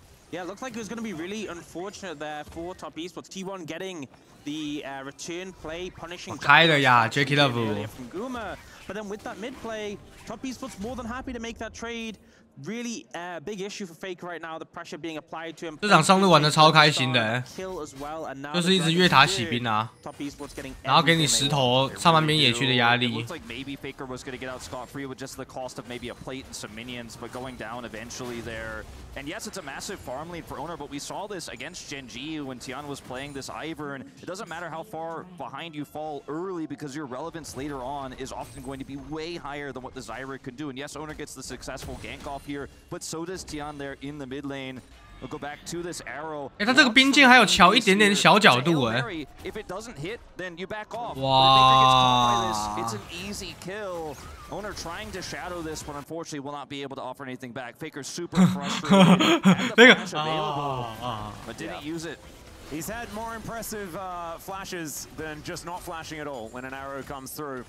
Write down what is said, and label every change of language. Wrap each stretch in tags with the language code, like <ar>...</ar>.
<en>Yeah, looks like it was going to be really unfortunate there for Top Esports. T1 getting the return play, punishing.</en> <zh>开了呀 ，Jackie Love.</zh> <en>From Guma, but then with that mid play, Top Esports more than happy to make that trade. Really big issue for Faker right now. The pressure being applied to him.</en> <zh>这场上路玩的超开心的，就是一直越塔洗兵啊。</zh> <en>Top Esports getting.</en> <zh>然后给你石头上半边野区的压力。</zh> <en>Looks like maybe Faker was going to get out scot free with just the cost of maybe a plate and some minions, but going down eventually there. And yes, it's a massive farm lead for Owner, but we saw this against Gen G when Tian was playing this Ivern. It doesn't matter how far behind you fall early because your relevance later on is often going to be way higher than what the Zyra can do. And yes, Owner gets the successful gank off here, but so does Tian there in the mid lane. We'll go back to this arrow.</en> <zh>哎，他这个冰箭还有瞧一点点小角度哎。</zh> <en>If it doesn't hit, then you back off. 哇。 It's an easy kill. Owner trying to shadow this, but unfortunately will not be able to offer anything back. Faker super frustrated. And the flash available, but didn't use it. He's had more impressive flashes than just not flashing at all when an arrow comes through.</en>